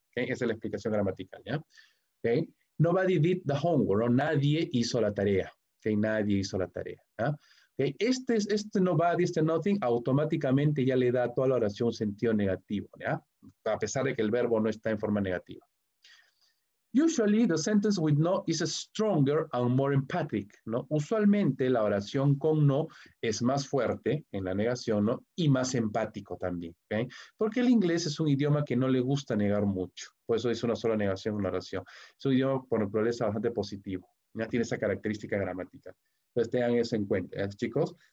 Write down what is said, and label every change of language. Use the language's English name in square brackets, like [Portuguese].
[Spanish] ¿Okay? Esa es la explicación gramatical, ¿ya? ¿Okay? [English] Nobody did the homework, [Spanish] ¿no? Nadie hizo la tarea, ¿okay? Nadie hizo la tarea, ¿ya? Okay. Este nobody, este nothing, automáticamente ya le da a toda la oración un sentido negativo, ¿ya? A pesar de que el verbo no está en forma negativa. [English] Usually, the sentence with no is stronger and more emphatic, ¿no? [Spanish] Usualmente, la oración con no es más fuerte en la negación, ¿no? Y más empático también, ¿okay? Porque el inglés es un idioma que no le gusta negar mucho. Por eso dice una sola negación en una oración. Es un idioma, por naturaleza, bastante positivo. Ya tiene esa característica gramática. Entonces, tengan eso en cuenta, ¿eh, chicos?